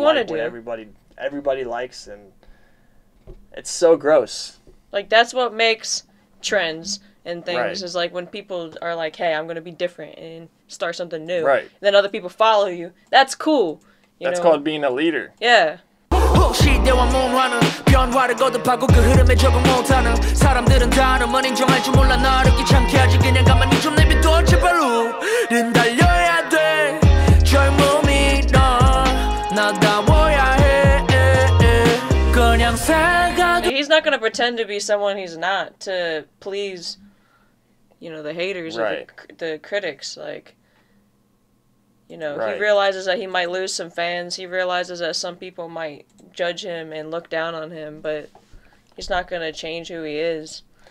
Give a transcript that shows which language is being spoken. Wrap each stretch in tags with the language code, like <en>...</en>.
<en>like want to do. What everybody likes, and it's so gross. Like, that's what makes trends and things, is, like, when people are like, hey, I'm going to be different and start something new. Right. And then other people follow you. That's cool. That's called being a leader. Yeah.</en> <ko>혹시 대화 문화는 변화를 거듭하고 그 흐름에 적응 못하는 사람들은 다름은 인정할 줄 몰라 나를 귀찮게 하지 그냥 가만히 좀 내비둬 제발 우린 달려야 돼 젊음이 너 나다워야 해 그냥 생각해</ko> <en>He's not gonna pretend to be someone he's not to please you know the haters right. or the critics like You know, right. he realizes that he might lose some fans. He realizes that some people might judge him and look down on him, but he's not going to change who he is.</en>